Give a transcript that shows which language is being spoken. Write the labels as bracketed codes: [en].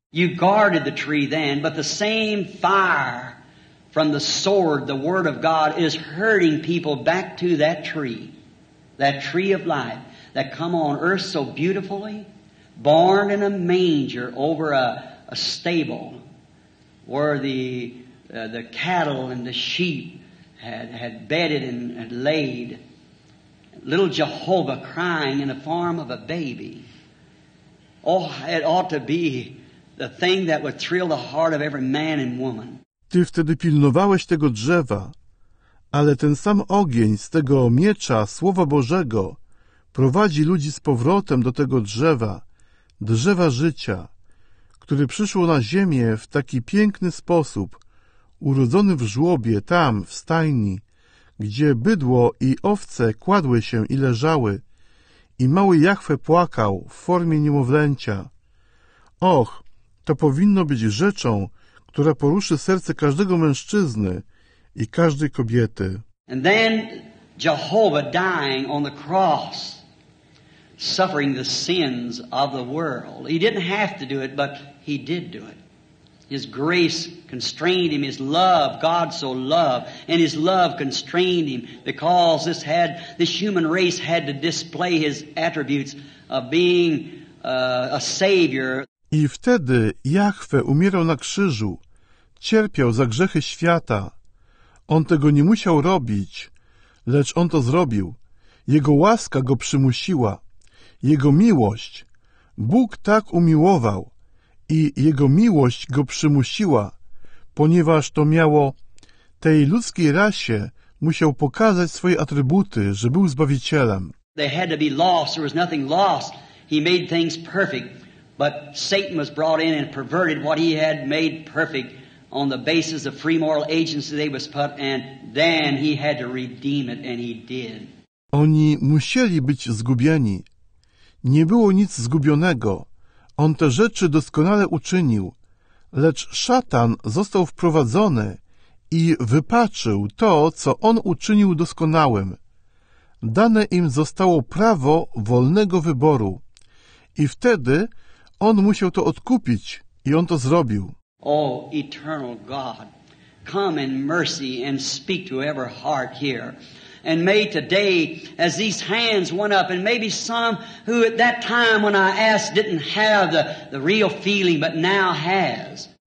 [en] You guarded the tree then, but the same fire from the sword, the Word of God, is hurting people back to that tree of life, that come on earth so beautifully, born in a manger over a stable, where the cattle and the sheep had bedded and had laid, little Jehovah crying in the form of a baby. Oh, it ought to be the thing that would thrill the heart of every man and woman. [pl] Ty wtedy pilnowałeś tego drzewa, ale ten sam ogień z tego miecza Słowa Bożego prowadzi ludzi z powrotem do tego drzewa, drzewa życia, które przyszło na ziemię w taki piękny sposób, urodzony w żłobie, tam, w stajni, gdzie bydło i owce kładły się i leżały, i mały Jahwe płakał w formie niemowlęcia. Och, to powinno być rzeczą, która poruszy serce każdego mężczyzny i każdej kobiety. [en] And then Jehovah dying on the cross, suffering the sins of the world. He didn't have to do it, but he did do it. His grace constrained him, his love, God so loved, and his love constrained him because this human race had to display his attributes of being a savior. [pl] I wtedy Jahwe umierał na krzyżu, cierpiał za grzechy świata. On tego nie musiał robić, lecz on to zrobił. Jego łaska go przymusiła. Jego miłość. Bóg tak umiłował i jego miłość go przymusiła, ponieważ to miało tej ludzkiej rasie musiał pokazać swoje atrybuty, że był Zbawicielem. [en] They had to be lost. There was nothing lost. He made things perfect. But Satan was brought in and perverted what he had made perfect on the basis of free moral agency they was put, and then he had to redeem it, and he did. [pl] Oni musieli być zgubieni. Nie było nic zgubionego. On te rzeczy doskonale uczynił, lecz szatan został wprowadzony i wypaczył to, co on uczynił doskonałym. Dane im zostało prawo wolnego wyboru. I wtedy on musiał to odkupić i on to zrobił. [en] O, eternal God, come in mercy and speak to every heart here. And may today, as these hands went up, and maybe some who at that time when I asked didn't have the real feeling, but now has.